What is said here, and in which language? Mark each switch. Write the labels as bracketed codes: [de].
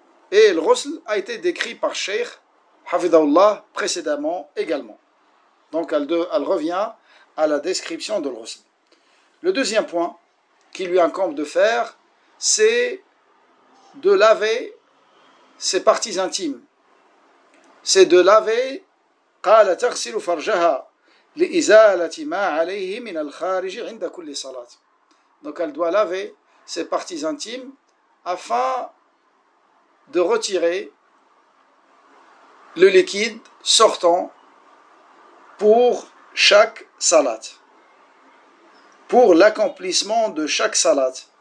[fr] Et le ghusl a été décrit par Cheikh Hafidhahullah précédemment également. Donc elle revient à la description de le ghusl. Le deuxième point qui lui incombe de faire, c'est de laver ses parties intimes. C'est de laver [ar] قال تغسل فرجها لإزالة ما عليه من الخارج عند كل صلاة. [fr] Donc elle doit laver ses parties intimes afin de retirer le liquide sortant pour chaque salat, pour l'accomplissement de chaque salat.